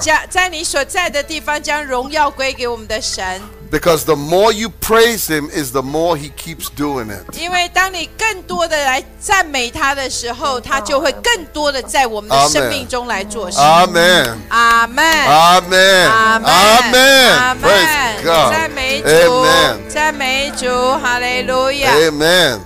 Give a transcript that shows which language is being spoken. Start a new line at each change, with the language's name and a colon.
Chinese: 所以在你所在的地方将荣耀归给我们的神。
English: Because the more you praise him is the more he keeps doing it.
Chinese: 因为当你更多的来赞美他的时候，他就会更多的在我们的生命中来做事。
English: Amen. Amen. Amen. Amen. Praise God.
Chinese: 赞美主。
English: Amen.
Chinese: 赞美主。Hallelujah.
English: Amen.